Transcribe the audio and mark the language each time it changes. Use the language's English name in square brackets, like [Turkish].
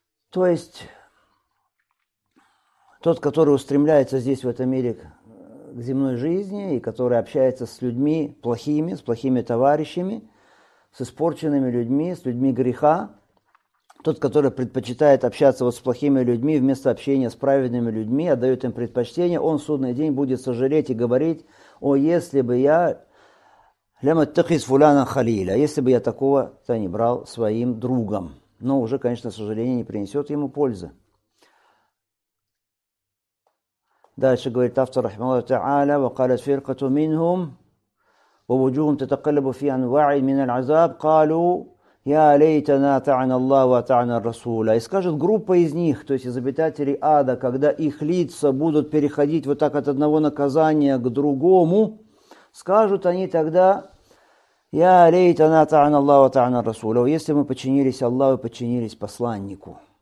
[Russian] То есть тот, который устремляется здесь, в этом мире, к земной жизни, и который общается с людьми плохими, с плохими товарищами, с испорченными людьми, с людьми греха, тот, который предпочитает общаться вот с плохими людьми вместо общения с праведными людьми, отдает им предпочтение, он в судный день будет сожалеть и говорить, о, если бы я [Arabic] ляматтахиз фуляна халиля, [Russian] если бы я такого-то не брал своим другом. Но уже, конечно, сожаление не принесет ему пользы. Дальше говорит автор, [Arabic] рахмаллаху та'аля, وقالت فرقة منهم ووجوههم تتقلب في انواع من العذاب قالوا يا ليتنا طعنا الله وطعنا الرسول. [Russian] И скажет группа из них, то есть из обитателей ада, когда их лица будут переходить вот так от одного наказания к другому, скажут они тогда: [Arabic] я лейтана та'ана Аллаху та'ана расулу, [Russian] если мы подчинились Аллаху, подчинились посланнику.